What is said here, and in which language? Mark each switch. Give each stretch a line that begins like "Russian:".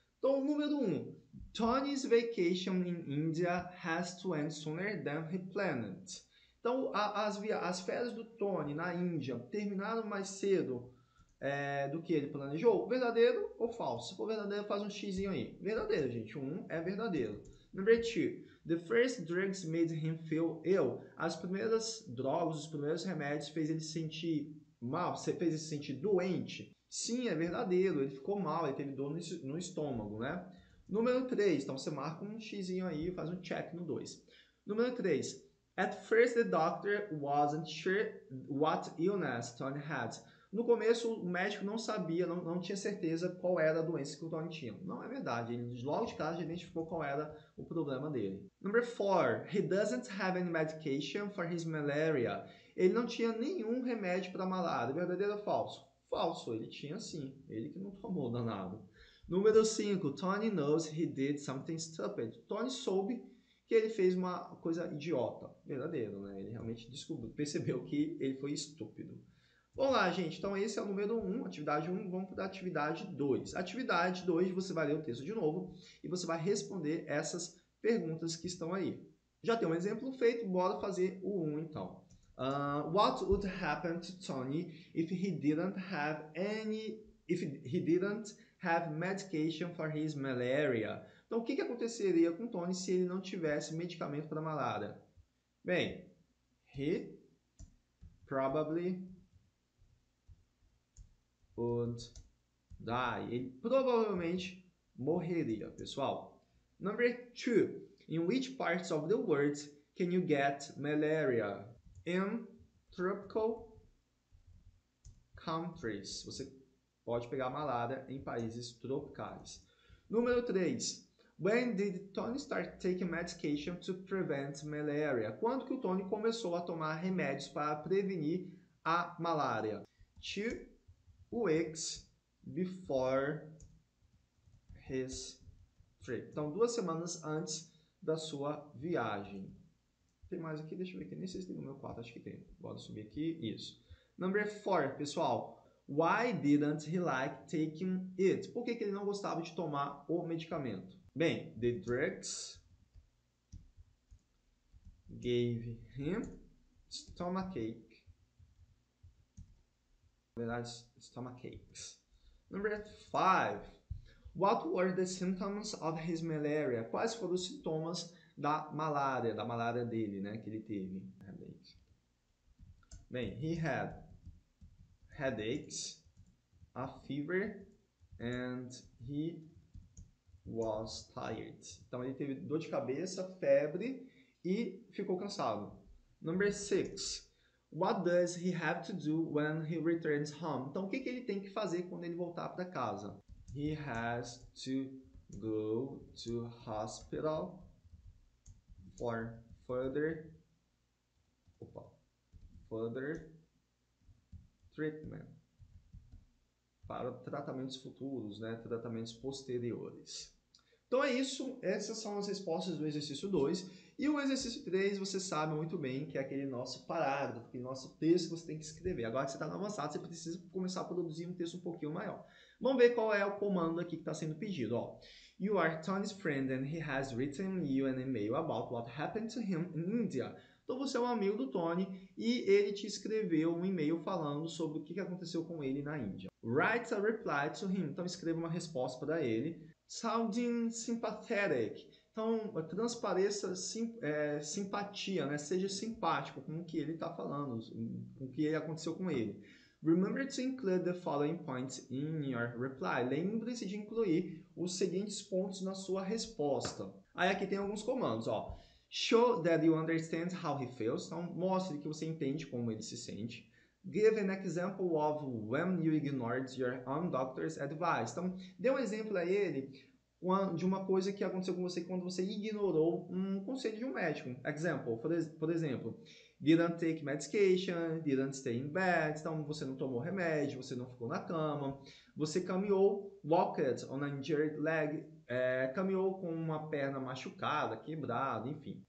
Portuguese: Então, número 1,
English: Tony's vacation in India has to end sooner than he planned.
Portuguese: Então, as férias do Tony na Índia terminaram mais cedo do que ele planejou. Verdadeiro ou falso? Se for verdadeiro, faz um xizinho aí. Verdadeiro, gente. Um é verdadeiro. Número 2,
English: the first drugs made him feel ill.
Portuguese: As primeiras drogas, os primeiros remédios fez ele se sentir mal, fez ele se sentir doente. Sim, é verdadeiro, ele ficou mal, ele teve dor no estômago, né? Número 3, então você marca um xizinho aí e faz um check no 2. Número 3,
English: at first the doctor wasn't sure what illness Tony had.
Portuguese: No começo o médico não sabia, não tinha certeza qual era a doença que o Tony tinha. Não é verdade, ele logo de cara já identificou qual era o problema dele. Número 4,
English: he doesn't have any medication for his malaria.
Portuguese: ele não tinha nenhum remédio para malária. Verdadeiro ou falso? Falso, ele tinha sim. Ele que não tomou danado. Número 5.
English: Tony knows he did something stupid.
Portuguese: Tony soube que ele fez uma coisa idiota. Verdadeiro, né? Ele realmente descobriu, percebeu que ele foi estúpido. Vamos lá, gente. Então, esse é o número 1, atividade 1. Vamos para a atividade 2. Atividade 2, você vai ler o texto de novo e você vai responder essas perguntas que estão aí. Já tem um exemplo feito, bora fazer o 1, então.
English: What would happen to Tony if he didn't have any... If he didn't have medication for his malaria?
Portuguese: Então, o que aconteceria com Tony se ele não tivesse medicamento para malária?
English: Bem, he probably... would die.
Portuguese: Ele provavelmente morreria, pessoal.
English: Number 2. In which parts of the world can you get malaria? In tropical countries.
Portuguese: Você pode pegar malária em países tropicais. Número 3.
English: When did Tony start taking medication to prevent malaria?
Portuguese: Quando que o Tony começou a tomar remédios para prevenir a malária?
English: 2. Weeks before his trip.
Portuguese: Então, 2 semanas antes da sua viagem. Tem mais aqui? Deixa eu ver aqui. Nem sei se tem número 4. Acho que tem. Bora subir aqui. Isso.
English: Number 4, pessoal. Why didn't he like taking it?
Portuguese: Por que ele não gostava de tomar o medicamento?
English: Bem, the drugs gave him stomachache. Stomachaches. Number 5. What were the symptoms of his malaria?
Portuguese: Quais foram os sintomas da malária? Da malária dele, né? Que ele teve. Headaches.
English: Bem, he had headaches, a fever, and he was tired.
Portuguese: Então, ele teve dor de cabeça, febre e ficou cansado.
English: Number 6. What does he have to do when he returns home?
Portuguese: Então, o que ele tem que fazer quando ele voltar para casa?
English: He has to go to hospital for further treatment.
Portuguese: Para tratamentos futuros, né? Tratamentos posteriores. Então é isso, essas são as respostas do exercício 2. E o exercício 3, você sabe muito bem que é aquele nosso parágrafo, aquele nosso texto que você tem que escrever. Agora que você está no avançado, você precisa começar a produzir um texto um pouquinho maior. Vamos ver qual é o comando aqui que está sendo pedido. Ó.
English: You are Tony's friend and he has written you an email about what happened to him in India.
Portuguese: Então você é um amigo do Tony e ele te escreveu um e-mail falando sobre o que aconteceu com ele na Índia.
English: Write a reply to him.
Portuguese: Então escreva uma resposta para ele.
English: Sounding sympathetic.
Portuguese: Então, transpareça simpatia, né? Seja simpático com o que ele está falando, com o que aconteceu com ele.
English: Remember to include the following points in your reply.
Portuguese: Lembre-se de incluir os seguintes pontos na sua resposta. Aí aqui tem alguns comandos, ó.
English: Show that you understand how he feels.
Portuguese: Então, mostre que você entende como ele se sente.
English: Give an example of when you ignored your own doctor's advice.
Portuguese: Então, dê um exemplo a ele de uma coisa que aconteceu com você quando você ignorou um conselho de um médico.
English: Example,
Portuguese: por exemplo,
English: didn't take medication, didn't stay in bed.
Portuguese: Então, você não tomou remédio, você não ficou na cama. Você caminhou,
English: walked on an injured leg.
Portuguese: Caminhou com uma perna machucada, quebrada, enfim.